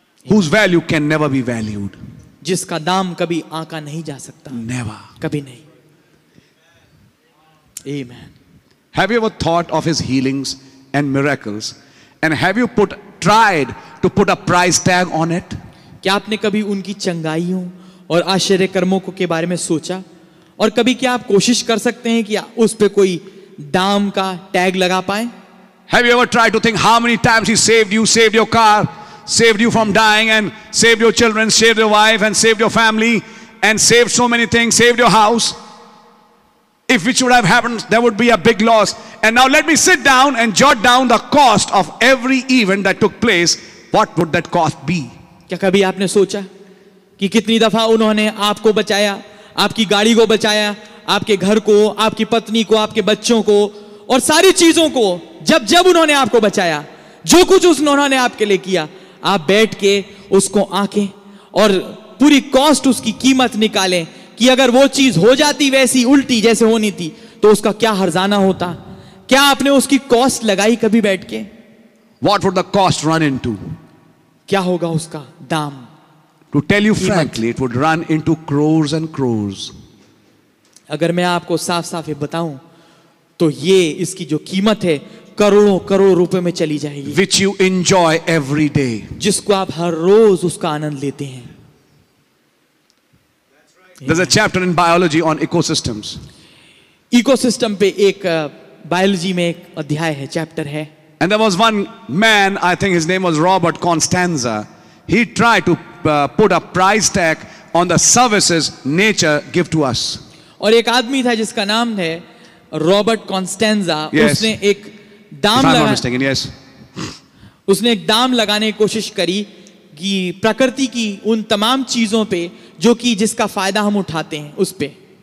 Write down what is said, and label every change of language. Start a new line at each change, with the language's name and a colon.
English: whose value can never be valued,
Hindi: जिसका दाम कभी आंका नहीं जा सकता,
English: never,
Hindi: कभी नहीं।
English: Amen. Have you ever thought of his healings and miracles, and have you tried to put a price tag on it?
Hindi: क्या आपने कभी उनकी चंगाइयों और आश्चर्य कर्मों को के बारे में सोचा, और कभी क्या आप कोशिश कर सकते हैं कि उस पे कोई दाम का टैग लगा पाए?
English: Have you ever tried to think how many times he saved your car, saved you from dying, and saved your children, saved your wife, and saved your family, and saved so many things, saved your house? If it should have happened, there would be a big loss. And now let me sit down and jot down the cost of every event that took place. What would that cost be?
Hindi: क्या कभी आपने सोचा कि कितनी दफा उन्होंने आपको बचाया, आपकी गाड़ी को बचाया, आपके घर को, आपकी पत्नी को, आपके बच्चों को, और सारी चीजों को, जब जब उन्होंने आपको बचाया, जो कुछ उन्होंने आपके लिए किया, आप बैठ के उसको आंखें और पूरी कॉस्ट, उसकी कीमत निकालें कि अगर वो चीज हो जाती वैसी उल्टी जैसे होनी थी तो उसका क्या हर्जाना होता? क्या आपने उसकी कॉस्ट लगाई कभी बैठ के?
English: What would the cost run into?
Hindi: क्या होगा उसका दाम?
English: To tell you frankly, it would run into crores and crores.
Hindi: अगर मैं आपको साफ साफ ये बताऊं तो ये इसकी जो कीमत है करोड़ों करोड़ रुपए में चली जाएगी।
English: Which you enjoy every day.
Hindi: जिसको आप हर रोज उसका आनंद लेते हैं।
English: There's a chapter in biology on ecosystems.
Hindi: Ecosystem पे एक biology में एक अध्याय है, chapter है।
English: And there was one man, I think his name was Robert Constanza. He tried to put a price tag on the services nature give to us.
Hindi: और एक आदमी था जिसका नाम है Robert Constanza. उसने एक दाम लगाने, yes. उसने एक दाम लगाने की कोशिश करी कि प्रकृति की उन तमाम चीजों पे जो कि जिसका फायदा हम उठाते हैं उस पे।